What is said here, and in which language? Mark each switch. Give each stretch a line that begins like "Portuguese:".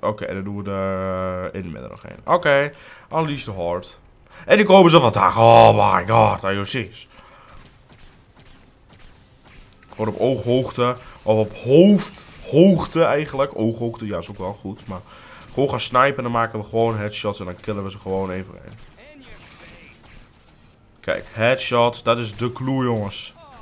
Dutch: Oké, dan doen we er in de midden nog een. Oké,
English: unleash the heart.
Dutch: En die komen ze vandaag.
English: Oh my god, are you serious?
Dutch: Gewoon op ooghoogte. Of op hoofdhoogte eigenlijk. Ooghoogte, ja, is ook wel goed. Maar gewoon gaan snipen, dan maken we gewoon headshots. En dan killen we ze gewoon één voor één. Kijk, headshots, dat is de clue, jongens.